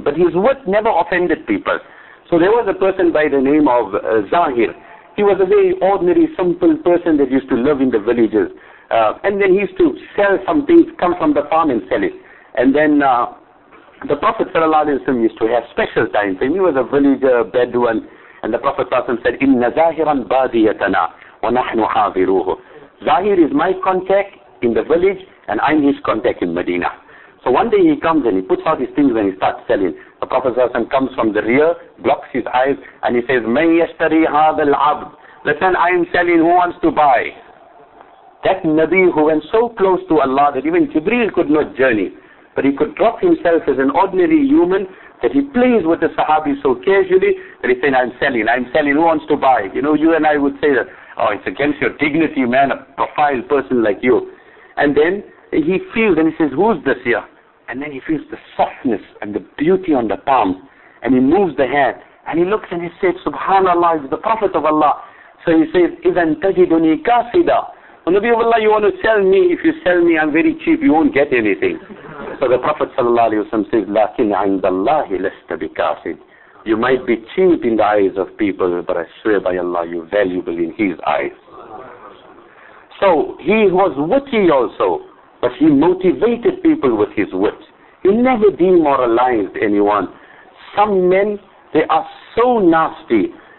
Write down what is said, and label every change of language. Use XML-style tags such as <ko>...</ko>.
<en>But his wit never offended people. So there was a person by the name of Zahir. He was a very ordinary, simple person that used to live in the villages. And then he used to sell some things, come from the farm and sell it. And then the Prophet ﷺ used to have special time for him. He was a villager, a Bedouin. And the Prophet ﷺ said,</en> <ar>إِنَّ زَاهِرًا بَادِيَتَنَا وَنَحْنُ حَاضِرُوهُ.</ar> <en>Zahir is my contact in the village, and I'm his contact in Medina. So one day he comes and he puts out his things and he starts selling. The Prophet ﷺ comes from the rear, blocks his eyes, and he says,</en> <ar>مَنْ يَشْتَرِي هَذَا الْعَبْدِ.</ar> <en>Listen, I am selling, who wants to buy? That Nabi who went so close to Allah that even Jibreel could not journey, but he could drop himself as an ordinary human, that he plays with the Sahabi so casually, that he's saying, I'm selling, who wants to buy? You know, you and I would say that, oh, it's against your dignity, man, a profile person like you. And then he feels, and he says, who's this here? And then he feels the softness and the beauty on the palm, and he moves the hand, and he looks and he says, Subhanallah, it's the Prophet of Allah. So he says,</en> <ar>إِذَن تَجِدُنِي كَاسِدًا.</ar> <en>Oh, Nabi of Allah, you want to sell me? If you sell me, I'm very cheap, you won't get anything. So the Prophet ﷺ says,</en> <ar>لَكِنْ عِنْدَ اللَّهِ لَسْتَ بِكَاسِدٍ.</ar> <en>You might be cheap in the eyes of people, but I swear by Allah, you're valuable in His eyes. So he was witty also, but he motivated people with his wit. He never demoralized anyone. Some men, they are so nasty.</en>